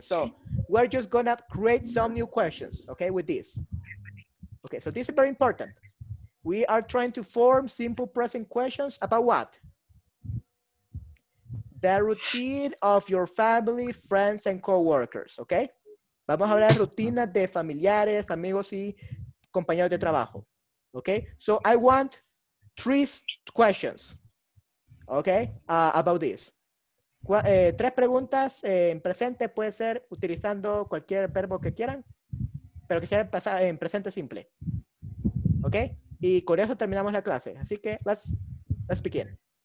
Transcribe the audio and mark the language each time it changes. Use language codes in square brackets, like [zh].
[en] So we're just gonna create some new questions, okay, with this. Okay, so this is very important. We are trying to form simple present questions about what? The routine of your family, friends, and co-workers, okay? [es] Vamos a hablar rutinas de familiares, amigos, y compañeros de trabajo, okay? [en] So I want three questions, okay, about this. [es] Tres preguntas en presente, puede ser utilizando cualquier verbo que quieran, pero que sea en presente simple, okay? Y con eso terminamos la clase, así que [en] let's begin.